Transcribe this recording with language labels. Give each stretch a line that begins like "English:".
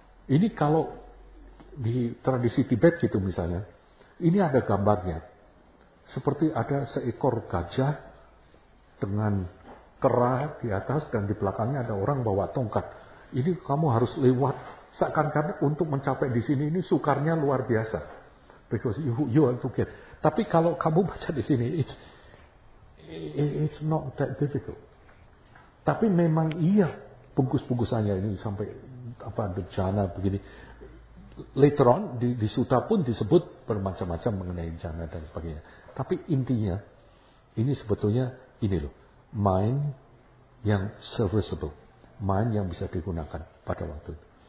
Indonesian: Ini kalau di tradisi Tibet gitu misalnya, ini ada gambarnya. Seperti ada seekor gajah dengan kera di atas dan di belakangnya ada orang bawa tongkat. Ini kamu harus lewat seakan-akan untuk mencapai di sini ini sukarnya luar biasa.
English: Because you have to get.
Indonesian: Tapi kalau kamu baca di sini
English: it's not that difficult.
Indonesian: Tapi memang iya bungkus-bungkusannya ini sampai jhana begini.
English: Later on
Indonesian: di sutta pun disebut bermacam-macam mengenai jhana dan sebagainya. Tapi intinya ini sebetulnya ini loh, mind yang serviceable, mind yang bisa digunakan pada waktu itu.